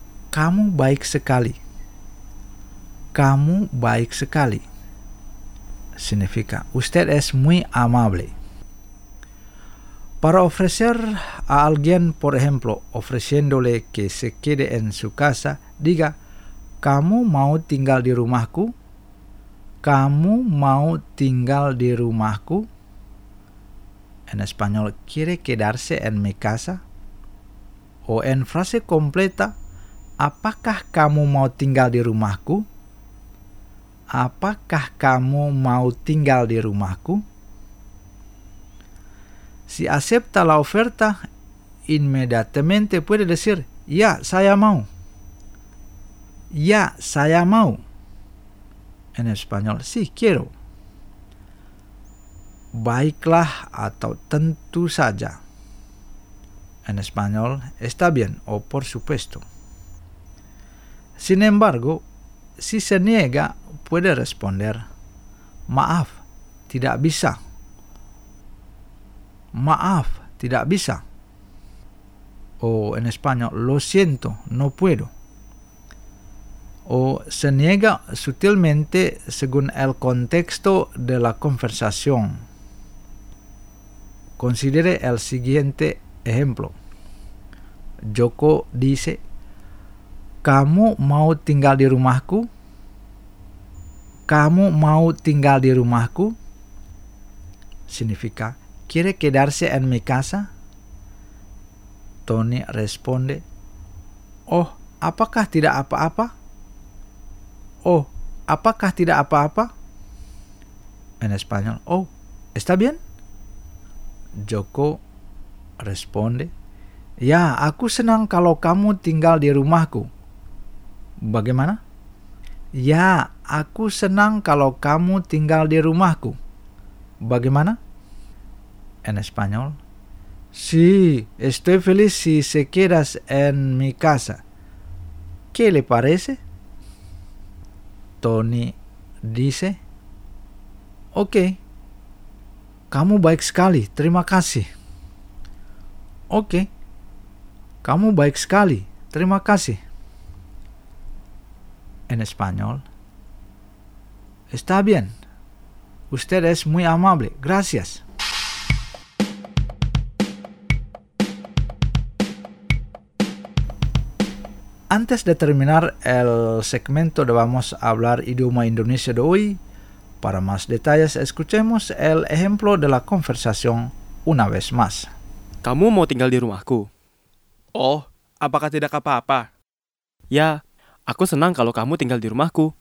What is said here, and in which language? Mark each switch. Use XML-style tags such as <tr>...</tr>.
<id>Kamu baik sekali. Kamu baik sekali.</id> <es>Significa, usted es muy amable. Para ofrecer a alguien, por ejemplo, ofreciéndole que se quede en su casa, diga,</es> <id>¿Kamu mau tinggal di rumahku? ¿Kamu mau tinggal di rumahku?</id> <es>En español, ¿quiere quedarse en mi casa? O en frase completa,</es> <id>¿apakah kamu mau tinggal di rumahku? ¿Apakah kamu mau tinggal di rumahku?</id> <es>Si acepta la oferta, inmediatamente puede decir,</es> <id>ya, saya mau. Ya, saya mau.</id> <es>En español, sí, quiero.</es> <id>Baiklah atau tentu saja.</id> <es>En español, está bien o por supuesto. Sin embargo, si se niega, puede responder,</es> <id>maaf, tidak bisa. Maaf, tidak bisa.</id> <es>O en español, lo siento, no puedo. O se niega sutilmente según el contexto de la conversación. Considere el siguiente ejemplo. Joko dice,</es> <id>¿Kamu mau tinggal di rumahku? ¿Kamu mau tinggal di rumahku?</id> <es>Significa, ¿quiere quedarse en mi casa? Tony responde,</es> <id>Oh, apakah tidak apa-apa? Oh, apakah tidak apa-apa?</id> <es>En español, Oh, ¿está bien? Joko responde,</es> <id>Ya, aku senang kalau kamu tinggal di rumahku. Bagaimana? Ya, aku senang kalau kamu tinggal di rumahku. Bagaimana?</id> <es>En español, Sí, estoy feliz si se quedas en mi casa. ¿Qué le parece? Tony dice, Ok.</es> <id>Kamu baik sekali, terima kasih. Ok. Kamu baik sekali, terima kasih.</id> <es>En español, Está bien. Usted es muy amable, gracias. Antes de terminar el segmento de Vamos a hablar idioma indonesio de hoy, para más detalles escuchemos el ejemplo de la conversación una vez más.</es> <id>¿Kamu mau tinggal di rumahku? Oh, apakah tidak apa-apa? Ya, aku senang kalau kamu tinggal di rumahku.</id>